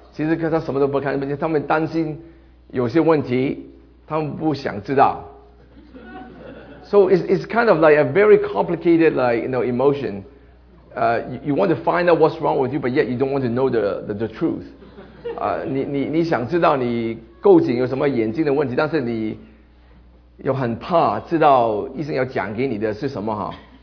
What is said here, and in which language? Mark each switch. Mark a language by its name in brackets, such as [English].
[Chinese] 其实他什么都不看见，他们担心有些问题，他们不想知道。 [English] So it's kind of like a very complicated, like, you know, emotion. You want to find out what's wrong with you, but yet you don't want to know the truth. [Chinese] 你想知道你究竟有什么眼睛的问题，但是你又很怕知道医生要讲给你的是什么哈。